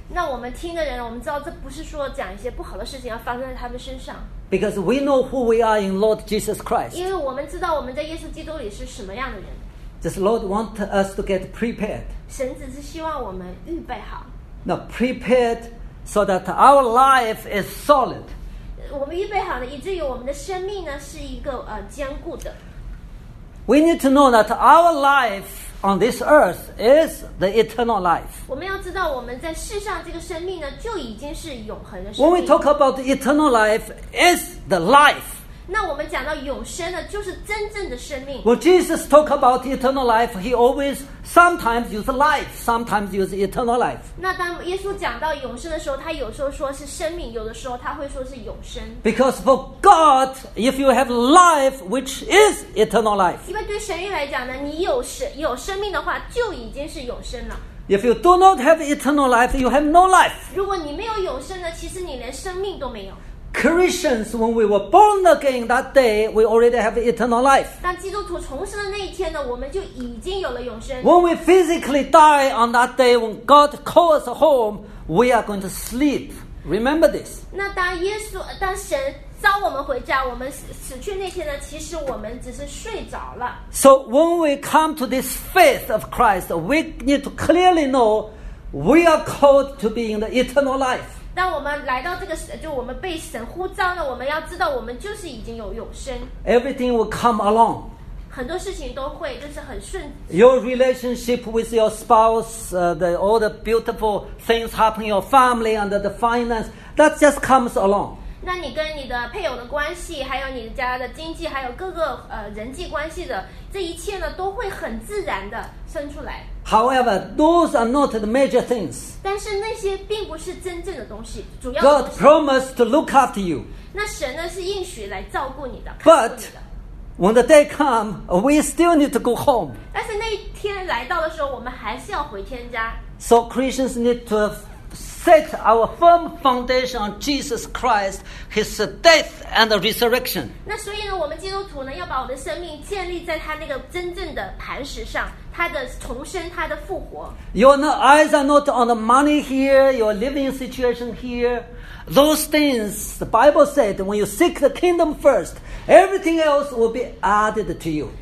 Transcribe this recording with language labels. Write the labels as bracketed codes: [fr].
[zh] 那我们听的人，我们知道这不是说讲一些不好的事情要发生在他们身上。 [en] Because we know who we are in Lord Jesus Christ. [zh] 因为我们知道我们在耶稣基督里是什么样的人。 [en] Does Lord want us to get prepared? [zh] 神只是希望我们预备好。 [en] Now prepared. So that our life is solid. [zh] 我们预备好了，以至于我们的生命呢是一个坚固的。 [en] We need to know that our life on this earth is the eternal life. [zh] 我们要知道我们在世上这个生命呢就已经是永恒的生命。 [en] When we talk about the eternal life, it's the life. [zh] 那我们讲到永生的就是真正的生命。 [en] Well, Jesus talk about eternal life, he always sometimes use life, sometimes use eternal life. [zh] 那当耶稣讲到永生的时候，他有时候说是生命，有的时候他会说是永生。 [en] Because for God, if you have life, which is eternal life. [zh] 因为对神来讲呢，你有生命的话，就已经是永生了。 [en] If you do not have eternal life, you have no life. [zh] 如果你没有永生呢，其实你连生命都没有。 [en] Christians, when we were born again that day, we already have eternal life. [zh] 当基督徒重生的那一天呢，我们就已经有了永生。 [en] When we physically die on that day, when God calls us home, we are going to sleep. Remember this. [zh] 那当耶稣，当神召我们回家，我们死去那天呢，其实我们只是睡着了。 [en] So when we come to this faith of Christ, we need to clearly know we are called to be in the eternal life. [zh] 当我们来到这个，就我们被神呼召了，我们要知道我们就是已经有永生。 [en] Everything will come along. [zh] 很多事情都会，就是很顺。 [en] Your relationship with your spouse, all the beautiful things happen in your family and the finance, that just comes along. [zh] 那你跟你的配偶的关系，还有你家的经济，还有各个人际关系的这一切呢，都会很自然的生出来。 [en] However, those are not the major things. [zh] 但是那些并不是真正的东西，主要的东西。 [en] God promised to look after you. [zh] 那神呢是应许来照顾你的。 [en] But when the day comes, we still need to go home. [zh] 但是那一天来到的时候，我们还是要回天家。 [en] So Christians need to. Set our firm foundation on Jesus Christ, His death and the resurrection. [zh] 那所以呢，我们基督徒呢，要把我们的生命建立在他那个真正的磐石上，他的重生，他的复活。 [en] Your eyes are not on the money here, your living situation here. Those things, the Bible said, when you seek the kingdom first, everything else will be added to you.